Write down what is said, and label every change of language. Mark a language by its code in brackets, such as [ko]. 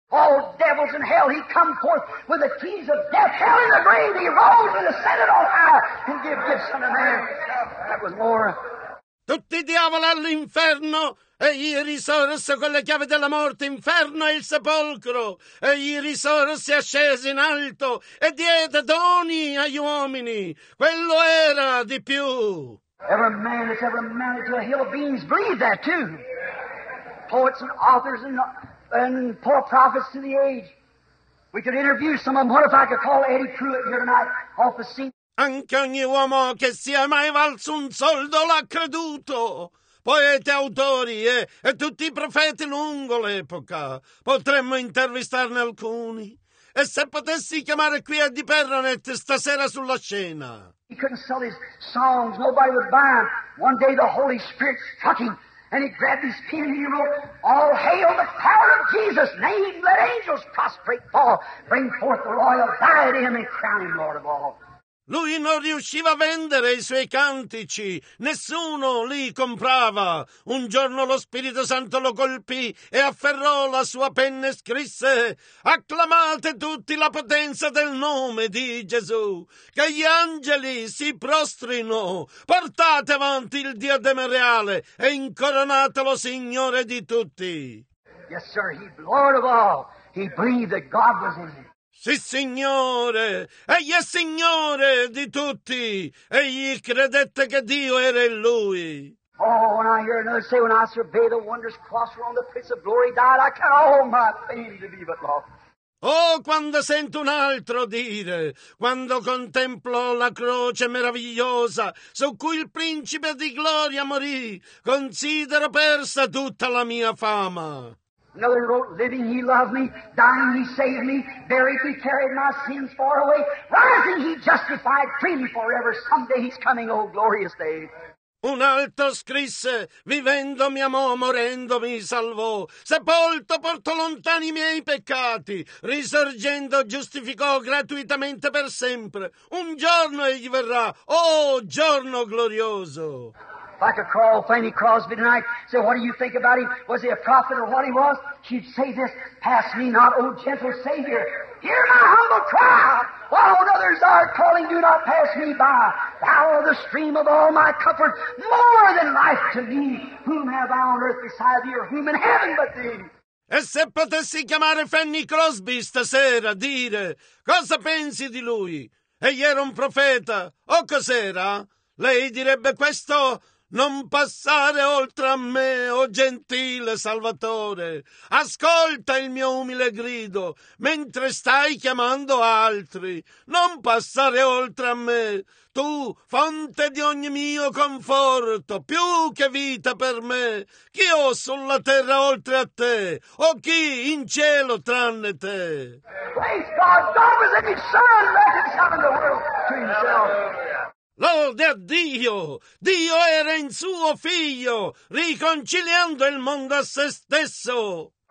[en] All devils in hell, he come forth with the keys of death, hell in the grave, he rose and ascended on high, and give gifts unto man. That was more. [it] Tutti i diavoli all'inferno, e io risorse con le chiavi della morte, inferno e il sepolcro, e io risorse e ascesi in alto e diede doni agli uomini. Quello era di più. [en] Every man that's ever mounted to a hill of beans believed that too. Poets and authors and poor prophets to the age. We could interview some of them. What if I could call Eddie Pruitt here tonight off the scene? [it] Anche ogni uomo che sia mai valso un soldo l'ha creduto. Poeti, autori e tutti i profeti lungo l'epoca. Potremmo intervistarne alcuni. E se potessi chiamare qui Eddie Perronet stasera sulla scena? [en] He couldn't sell his songs. Nobody would buy them. One day the Holy Spirit struck him and he grabbed his pen and he wrote, "All hail the power of Jesus. Name, let angels prostrate fall. Bring forth the royal diadem and crown him Lord of all." [it] Lui non riusciva a vendere i suoi cantici, nessuno li comprava. Un giorno lo Spirito Santo lo colpì e afferrò la sua penna e scrisse: acclamate tutti la potenza del nome di Gesù, che gli angeli si prostrino, portate avanti il diadema reale e incoronatelo Signore di tutti. [en] Yes, sir, he Lord of all, he breathed that God was in him. [it] Sì, Signore, egli è Signore di tutti, egli credette che Dio era in Lui. [en] Oh, when I hear another say, when I survey the wondrous cross whereon the Prince of Glory died, I count all my pain to be but lost. [it] Oh, quando sento un altro dire, quando contemplo la croce meravigliosa su cui il Principe di Gloria morì, considero persa tutta la mia fama. [en] Another wrote, living he loved me, dying he saved me, buried he carried my sins far away, rising he justified freely forever, someday he's coming, oh glorious day. [it] Un altro scrisse, vivendo mi amò, morendo mi salvò, sepolto portò lontani i miei peccati, risorgendo giustificò gratuitamente per sempre, un giorno egli verrà, oh giorno glorioso. [en] If I could call Fanny Crosby tonight, say, what do you think about him? Was he a prophet or what he was? She'd say this, pass me not, O gentle Savior. Hear my humble cry. While others are calling, do not pass me by. Thou art the stream of all my comfort, more than life to me. Whom have I on earth beside thee, or whom in heaven but thee? [it] E se potessi chiamare Fanny Crosby stasera, dire, cosa pensi di lui? Egli era un profeta, o cos'era? Lei direbbe questo, non passare oltre a me, o gentile Salvatore. Ascolta il mio umile grido, mentre stai chiamando altri. Non passare oltre a me. Tu, fonte di ogni mio conforto, più che vita per me. Chi ho sulla terra oltre a te, o chi in cielo tranne te? [en] Praise God, God was in his son, reconciling the world to himself. [it] Lode a Dio! Dio era in suo figlio, riconciliando il mondo a se stesso.